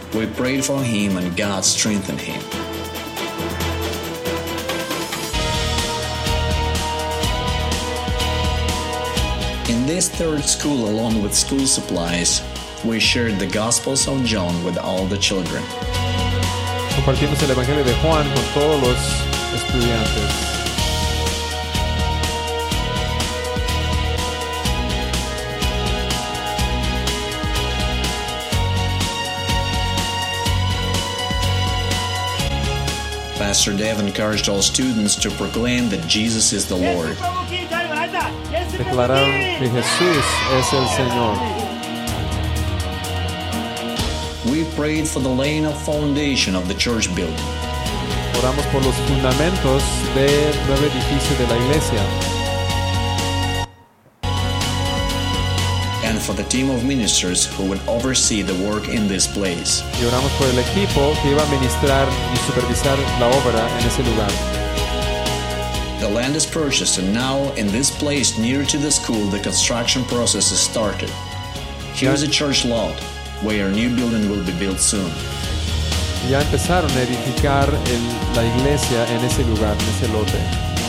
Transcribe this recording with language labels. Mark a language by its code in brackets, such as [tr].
[en] We prayed for him and God strengthened him. In this third school, along with school supplies, we shared the Gospels of John with all the children. [es] Compartimos el Evangelio de Juan con todos los estudiantes. [en] Pastor Dev encouraged all students to proclaim that Jesus is the Lord. [es] Declararon que Jesús es el Señor. [en] We prayed for the laying of foundation of the church building. [es] Oramos por los fundamentos del nuevo edificio de la iglesia. [en] And for the team of ministers who would oversee the work in this place. [es] Y oramos por el equipo que iba a ministrar y supervisar la obra en ese lugar. [en] The land is purchased, and now in this place near to the school, the construction process is started. Here is a church lot where a new building will be built soon. [es] Ya empezaron a edificar la iglesia en ese lugar, en ese lote.